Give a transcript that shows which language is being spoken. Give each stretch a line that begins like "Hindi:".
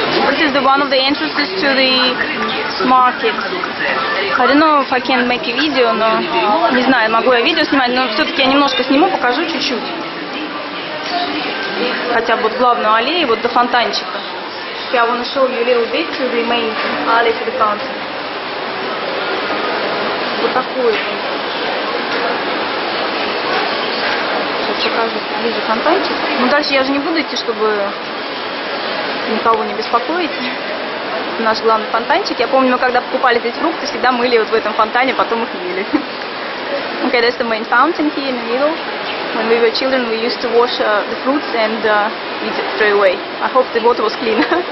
English: This is the one of the entrances to the market. I don't know if I can make a video,
Russian: но не знаю, могу я видео снимать, но все-таки я немножко сниму, покажу чуть-чуть. Хотя бы вот главную аллею, вот до фонтанчика.
English: Okay, I want to show you a little bit to the main alley to the fountain.
Russian: Вот такую. Покажу, вижу фонтанчик. Ну дальше я же не буду идти, чтобы никого не беспокоить. Наш главный фонтанчик. Я помню, мы когда покупали здесь фрукты, всегда мыли вот в этом фонтане, потом их ели.
English: Okay, that's the main fountain here in the middle. When we were children, we used to wash the fruits and eat it straight away. I hope the water was clean.